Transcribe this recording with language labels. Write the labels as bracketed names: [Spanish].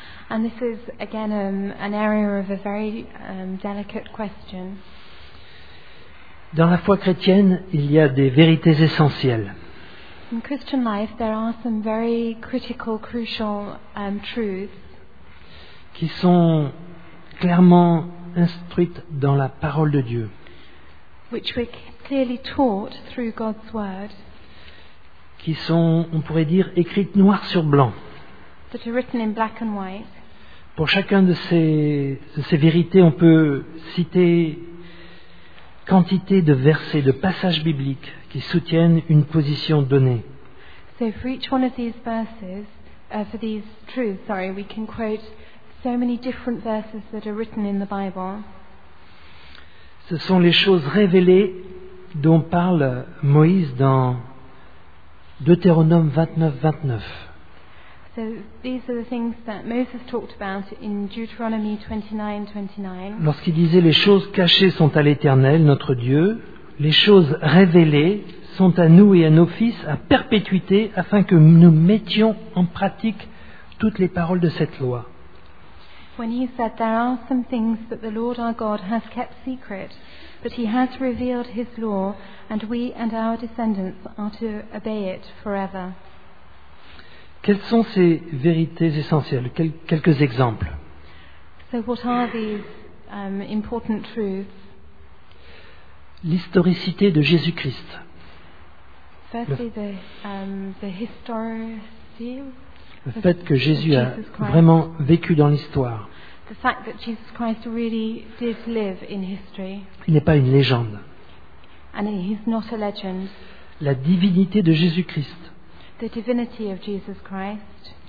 [English] And this is again an area of a very delicate question. [French] Dans la foi chrétienne, il y a des vérités essentielles. [English] In Christian life, there are some very critical, crucial truths [French] qui sont clairement instruites dans la parole de Dieu. [English] Which we're clearly taught through God's word. [French] Qui sont, on pourrait dire, écrites noir sur blanc. [English] That are written in black and white. [French] Pour chacun de ces vérités, on peut citer quantité de versets, de passages bibliques qui soutiennent une position donnée. [English] So for each one of these verses, for these truths, sorry, we can quote so many different verses that are written in the Bible. [French] Ce sont les choses révélées dont parle Moïse dans Deutéronome 29:29. [English] So these are the things that Moses talked about in Deuteronomy 29:29. [French] Lorsqu'il disait les choses cachées sont à l'Éternel, notre Dieu, les choses révélées sont à nous et à nos fils à perpétuité afin que nous mettions en pratique toutes les paroles de cette loi. [English] When he said there are some things that the Lord our God has kept secret, but he has revealed his law and we and our descendants are to obey it forever. [French] Quelles sont ces vérités essentielles? Quelques exemples. [English] So what are these, important truths? [French] L'historicité de Jésus-Christ. [English] Firstly, the historicity. [French] Le fait que Jésus a vraiment vécu dans l'histoire. [English] The fact that Jesus Christ really did live in history. [French] Il n'est pas une légende. [English] And he's not a legend. [French] La divinité de Jésus-Christ. [English] The divinity of Jesus Christ.